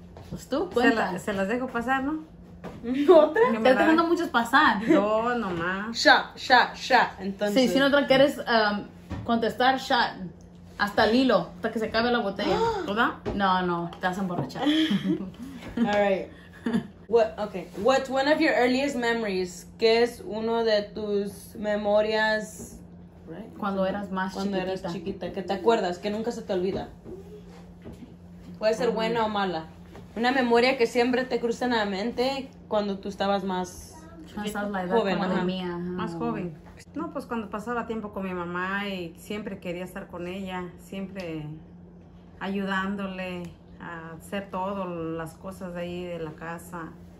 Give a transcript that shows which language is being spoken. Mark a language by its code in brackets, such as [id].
[es] Pues tú, cuenta. Se las dejo pasar, ¿no? ¿Otra? Te estoy dejando muchas pasar. No, nomás. Shot. Entonces. Sí, si no te quieres contestar, shot. Hasta el hilo, hasta que se acabe la botella, ¿verdad? No, te vas a emborrachar. [en] Alright. What, okay. What's one of your earliest memories? [es] ¿Qué es uno de tus memorias? Right. Cuando eras más chiquita. Cuando eras chiquita, que te acuerdas, que nunca se te olvida. Puede ser buena o mala. Una memoria que siempre te cruza en la mente cuando tú estabas más joven. La edad como de mía. Más joven. No, pues cuando pasaba tiempo con mi mamá y siempre quería estar con ella, siempre ayudándole a hacer todo, las cosas de ahí, de la casa.